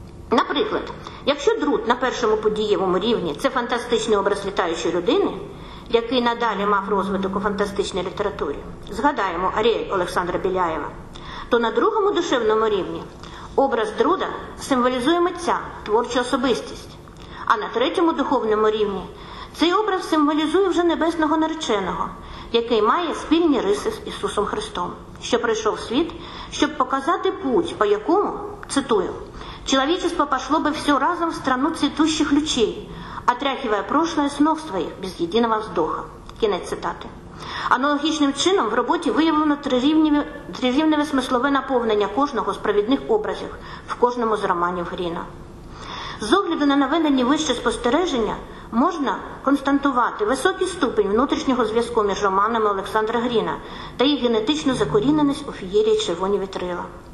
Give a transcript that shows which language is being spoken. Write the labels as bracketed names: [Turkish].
[Ukrainian] Наприклад, якщо Друд на першому подієвому рівні – це фантастичний образ літаючої людини, який надалі мав розвиток у фантастичній літературі, згадаємо Аріель Олександра Біляєва, то на другому душевному рівні образ Друда символізує митця, творчу особистість, а на третьому духовному рівні цей образ символізує вже небесного нареченого, який має спільні риси з Ісусом Христом, що прийшов в світ, щоб показати путь, по якому, цитую, [Russian] Человечество пошло бы все разом в страну цветущих лучей, отряхивая прошлое с ног своих без единого вздоха. [Ukrainian] Кінець цитати. Аналогічним чином в роботі виявлено трирівневе смислове наповнення кожного справедних образів в кожному з романів Гріна. З огляду на наведені вище спостереження, можна констатувати високий ступінь внутрішнього зв'язку між романами Олександра Гріна та їх генетичну закоріненість у феєрії «Червоні вітрила».